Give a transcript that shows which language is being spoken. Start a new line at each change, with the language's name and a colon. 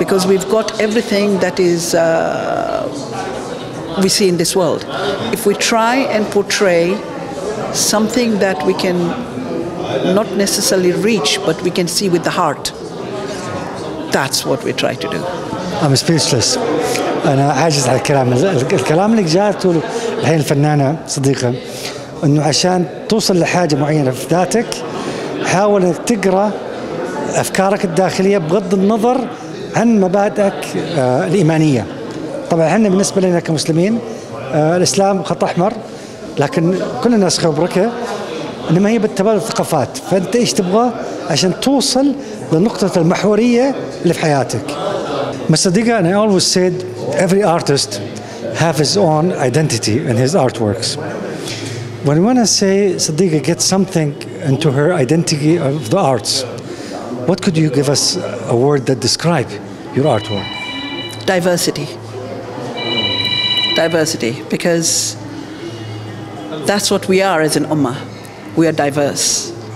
English: Because we've got everything that is we see in this world. If we try and portray something that we can not necessarily reach, but we can see with the heart, that's what we try to do. I'm speechless.
Arabic: أنا عاجز على الكلام. الكلام اللي جاءته الحين الفنانة صديقة إنه عشان توصل لحاجة معينة في ذاتك حاول إنك تقرأ أفكارك الداخلية بغض النظر عن مبادئك الإيمانية. طبعا إحنا بالنسبة لنا كمسلمين الإسلام خط أحمر، لكن كل الناس خبرك إن ما هي بالتبادل الثقافات. فأنت إيش تبغى عشان توصل لنقطة المحورية اللي في حياتك؟ مصدقة أنا
English: always said every artist have his own identity in his artworks. When we want to say Siddiqa gets something into her identity of the arts, what could you give us a word that describe your artwork? Diversity. Diversity, because that's what we are as an ummah. We are diverse.